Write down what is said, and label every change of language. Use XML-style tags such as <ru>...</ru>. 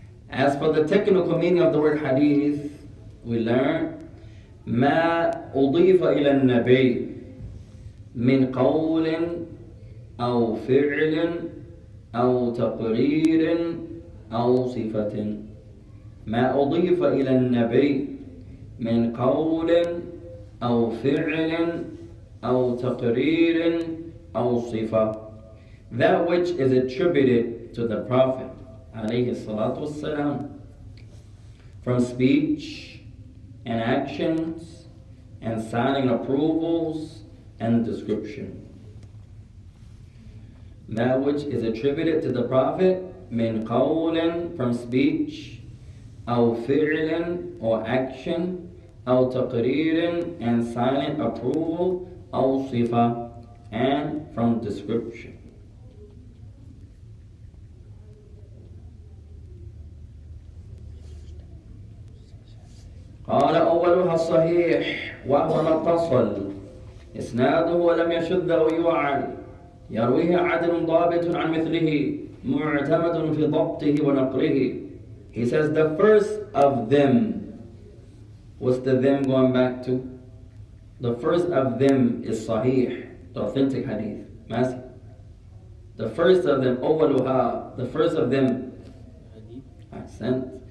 <en>As for the technical meaning of the word hadith, we learn</en> <ar>ما أضيف إلى النبي من قول أو فعل أو تقرير أو صفة. ما أضيف إلى النبي من قول أو فعل أو تقرير أو صفة.</ar> <en>That which is attributed to the Prophet alayhi salatu wasalam, from speech and actions and signing approvals and description. That which is attributed to the Prophet min qawlin, from speech, aw fi'lin, or action,</en> <ar>أو تقرير</ar> <en>and silent approval</en> <ar>أو صفة</ar> <en>and from description.</en> <ar>قال أولها الصحيح وهو ما اتصل إسناده ولم يشذ أو يعل يرويه عدل ضابط عن مثله معتمد في ضبطه ونقله.</ar> <en>He says the first of them. What's the them going back to? The first of them is sahih, the authentic hadith. Masi. The first of them, awwaluha, the first of them. Hadith. Accent.</en>